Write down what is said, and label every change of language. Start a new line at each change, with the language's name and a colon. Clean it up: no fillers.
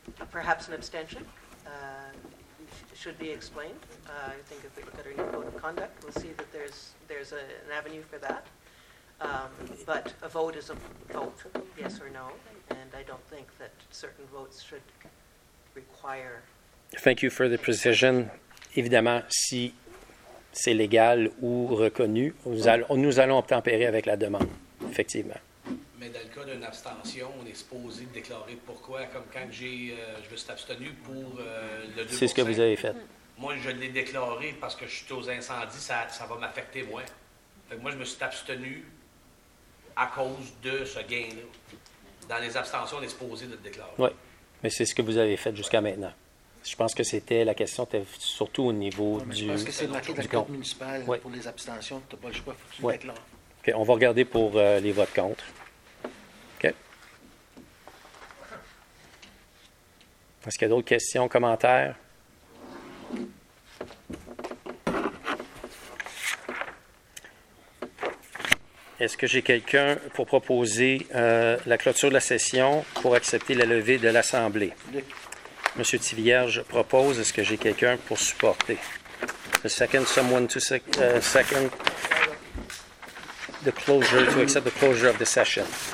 English: Perhaps an abstention should be explained. I think if we look at our new code of conduct, we'll see that there's an avenue for that. But a vote is a vote, yes or no, and I don't think that certain votes should require... Thank you for the precision.
French: Évidemment, si c'est légal ou reconnu, nous allons obtempérer avec la demande, effectivement. Mais dans le cas d'une abstention, on est supposé déclarer pourquoi, comme quand je me suis abstenu pour le 2%. C'est ce que vous avez fait. Moi, je l'ai déclaré parce que je suis aux incendies, ça va m'affecter moins. Fait que moi, je me suis abstenu à cause de ce gain-là. Dans les abstentions, on est supposé de le déclarer. Oui, mais c'est ce que vous avez fait jusqu'à maintenant. Je pense que c'était la question, était surtout au niveau du... Je pense que c'est marqué dans le code municipal pour les abstentions. Tu n'as pas le choix, il faut que tu le déclares. OK, on va regarder pour les votes contre. OK. Est-ce qu'il y a d'autres questions, commentaires? Est-ce que j'ai quelqu'un pour proposer la clôture de la session pour accepter la levée de l'Assemblée? Monsieur Thivierge propose. Est-ce que j'ai quelqu'un pour supporter?
English: The second, someone to second the closure, to accept the closure of the session.